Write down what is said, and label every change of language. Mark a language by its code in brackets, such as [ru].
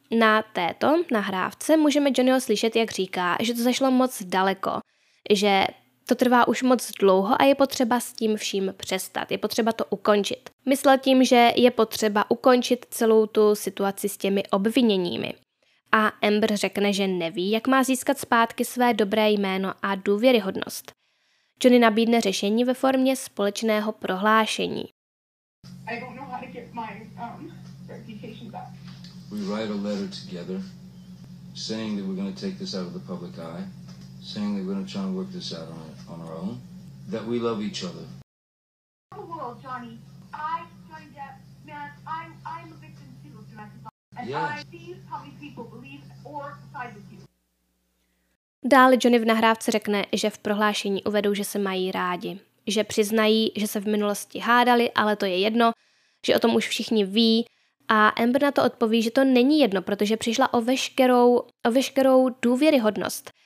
[cs] Na této nahrávce můžeme Johnnyho slyšet, jak říká, že to zašlo moc daleko, že to trvá už moc dlouho a je potřeba s tím vším přestat, je potřeba to ukončit. Myslel tím, že je potřeba ukončit celou tu situaci s těmi obviněními. A Amber řekne, že neví, jak má získat zpátky své dobré jméno a důvěryhodnost. Johnny nabídne řešení ve formě společného prohlášení. [en] I don't know how to get my reputation back. We write a letter together saying that we're going to take this out of the public eye, saying that we're going to try and work this out on our own, that we love each other. Oh, well, Johnny, I joined up, man, I'm a victim too of domestic violence. And yes. I see how many people believe or side with you. [cs] Dále Johnny v nahrávce řekne, že v prohlášení uvedou, že se mají rádi. Že přiznají, že se v minulosti hádali, ale to je jedno, že o tom už všichni ví. A Amber na to odpoví, že to není jedno, protože přišla o veškerou důvěryhodnost.